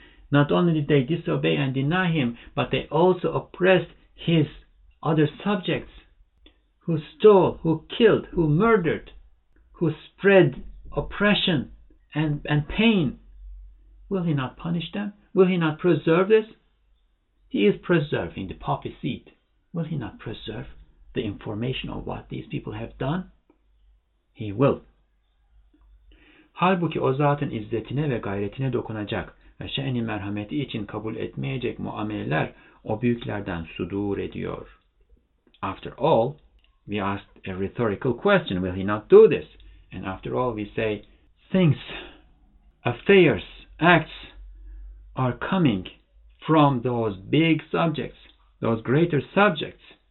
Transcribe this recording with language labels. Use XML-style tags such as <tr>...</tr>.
<en>Not only did they disobey and deny him, but they also oppressed his other subjects, who stole, who killed, who murdered, who spread oppression and pain. Will he not punish them? Will he not preserve this? He is preserving the poppy seed. Will he not preserve the information of what these people have done? He will.</en> <tr>Halbuki o zatın izzetine ve gayretine dokunacak ve şe'ni merhameti için kabul etmeyecek muameleler o büyüklerden sudur ediyor.</tr> <en>After all, we asked a rhetorical question, will he not do this? And after all, we say, things, affairs, acts are coming from those big subjects, those greater subjects.</en>